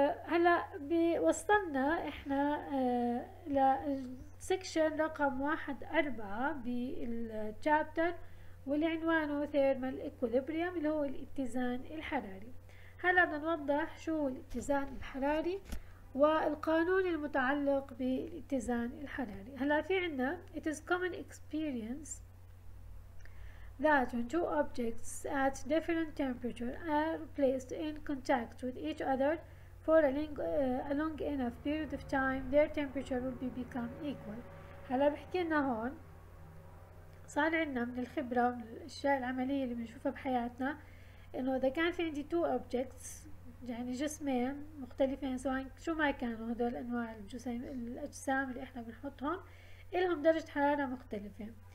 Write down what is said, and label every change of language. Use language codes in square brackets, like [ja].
[ar] هلا وصلنا احنا لسكشن رقم 1-4 بالشابتر، واللي عنوانه ثيرمال إيكوليبريوم، اللي هو الاتزان الحراري. هلا بدنا نوضح شو هو الاتزان الحراري والقانون المتعلق بالاتزان الحراري. هلا في عنا [en] it is common experience that when two objects at different temperature are placed in contact with each other for a long enough period of time their temperature will become equal. [ar] هلا بحكي لنا هون صار عنا من الخبرة ومن الأشياء العملية اللي بنشوفها بحياتنا، إنه إذا كان في عندي [en] two objects، [ar] يعني جسمين مختلفين، سواء شو ما كانوا هدول أنواع الجسيم الأجسام اللي إحنا بنحطهم، إلهم درجة حرارة مختلفة.